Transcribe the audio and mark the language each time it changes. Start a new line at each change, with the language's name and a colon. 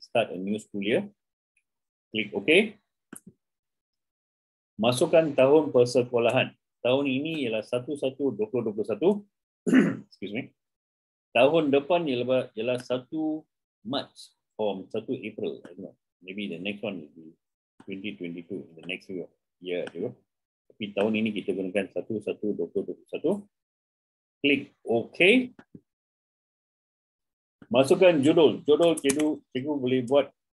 English: Start a new school year.
Malay: Klik OK. Masukkan tahun persekolahan. Tahun ini ialah 1-1-2021.
English: Excuse me.
Malay: Tahun depan ialah
English: 1 March or 1 April. I don't know. Maybe the next one will be 2022, the next year.
Malay: Tapi tahun ini kita gunakan 1-1-2021. Klik OK. Masukkan judul. Judul cikgu boleh buat.